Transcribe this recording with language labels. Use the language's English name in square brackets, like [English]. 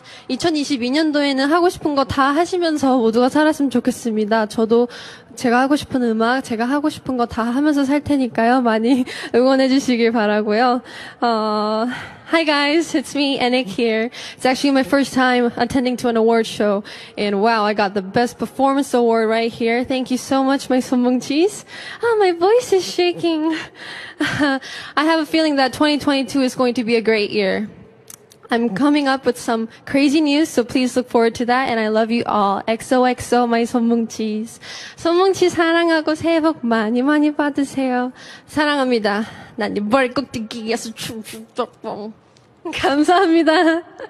[Korean] 2022년도에는 하고 싶은 거 다 하시면서 모두가 살았으면 좋겠습니다. 저도 제가 하고 싶은 음악, 제가 하고 싶은 거 다 하면서 살 테니까요. 많이 응원해 주시길 바라고요. [English] Hi guys, it's me, Anik here. It's actually my first time attending to an award show. And wow, I got the best performance award right here. Thank you so much, my Sonbongchis. Oh, my voice is shaking. I have a feeling that 2022 is going to be a great year. I'm coming up with some crazy news, so please look forward to that, and I love you all. XOXO, my 손뭉치s. [Korean] 손뭉치 사랑하고 새해 복 많이 많이 받으세요. 사랑합니다. 난 네 머리 꼭대기에서 춤추고 싶어. 감사합니다.